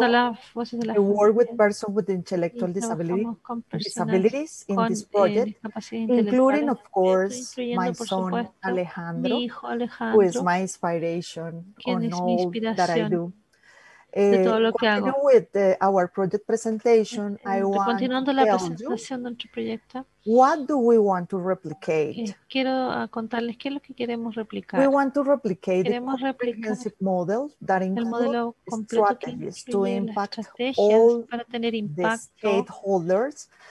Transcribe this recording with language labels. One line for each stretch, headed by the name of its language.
English: I work with persons with intellectual disabilities in this project, including, of course, my son Alejandro, Alejandro, who is my inspiration on all that I do. Continuing with our project presentation, I want to tell you what do we want to replicate.
Spanish: Quiero contarles qué es lo que queremos replicar.
English: We want to replicate the comprehensive model that includes strategies to impact all the stakeholders